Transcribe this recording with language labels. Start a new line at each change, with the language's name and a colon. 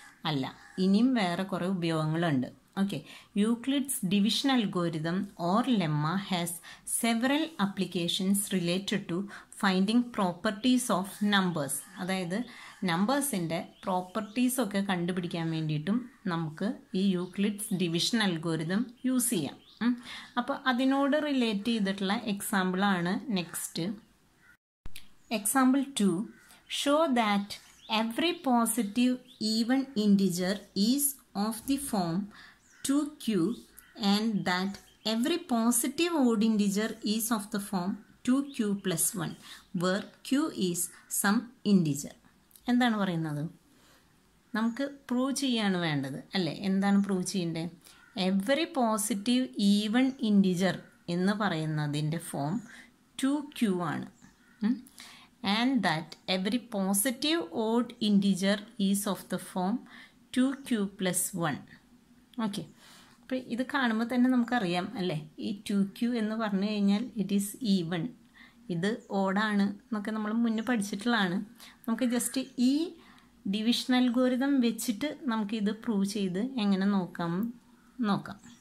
Malayalam: അല്ല, ഇനിയും വേറെ കുറേ ഉപയോഗങ്ങളുണ്ട്. Okay,
English: Euclid's division algorithm or lemma has several applications related to finding properties of numbers.
Malayalam: അതായത് നമ്പേഴ്സിൻ്റെ പ്രോപ്പർട്ടീസൊക്കെ കണ്ടുപിടിക്കാൻ വേണ്ടിയിട്ടും നമുക്ക് ഈ യൂക്ലിഡ്സ് ഡിവിഷൻ അൽഗോരിതം യൂസ് ചെയ്യാം. അപ്പോൾ അതിനോട് റിലേറ്റ് ചെയ്തിട്ടുള്ള എക്സാമ്പിളാണ് next.
English: Example 2, show that every positive even integer is of the form 2q and that every positive odd integer is of the form 2q plus 1 where q is some integer.
Malayalam: എന്താണ് പറയുന്നത്? നമുക്ക് prove ചെയ്യാണ് വേണ്ടത് അല്ലേ. എന്താണ് prove ചെയ്യേണ്ടത്?
English: every positive even integer
Malayalam: എന്ന് പറയുന്നതിൻ്റെ ഫോം 2q ആണ്.
English: And that every positive odd integer is of the form 2q plus 1. Okay.
Malayalam: അപ്പോൾ ഇത് കാണുമ്പോൾ തന്നെ നമുക്കറിയാം അല്ലേ, ഈ 2q എന്ന് പറഞ്ഞു കഴിഞ്ഞാൽ
English: it is even,
Malayalam: ഇത് ഓഡാണ് എന്നൊക്കെ നമ്മൾ മുന്നേ പഠിച്ചിട്ടുള്ളതാണ്. നമുക്ക് ജസ്റ്റ് ഈ ഡിവിഷൻ അൽഗോരിതം വെച്ചിട്ട് നമുക്കിത് പ്രൂവ് ചെയ്ത് എങ്ങനെ നോക്കാം നോക്കാം.